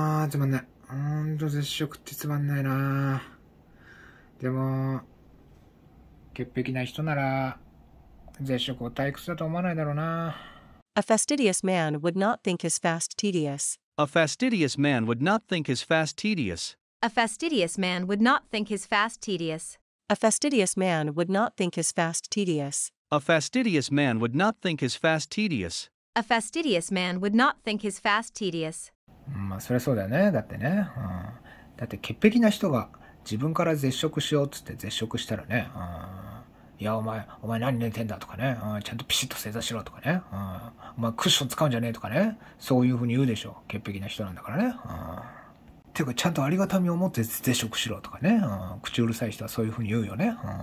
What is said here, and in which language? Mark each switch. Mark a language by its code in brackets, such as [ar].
[ja] つまんない。ほんと、絶食ってつまんないな。でも、潔癖な人なら、絶食を退屈だと思わないだろうな。 [en] A fastidious man would not think his fast tedious. A fastidious man would not think his fast tedious. A fastidious man would not think his fast tedious. A fastidious man would not think his fast tedious. A fastidious man would not think his fast tedious. A fastidious man would not think his fast tedious. [ja] まあそれそうだよね。だってね、だって潔癖な人が自分から絶食しようっつって絶食したらね、いやお前何寝てんだとかね、ちゃんとピシッと正座しろとかね、お前クッション使うんじゃねえとかね、そういうふうに言うでしょう。潔癖な人なんだからね。ていうかちゃんとありがたみを持って絶食しろとかね、口うるさい人はそういうふうに言うよね。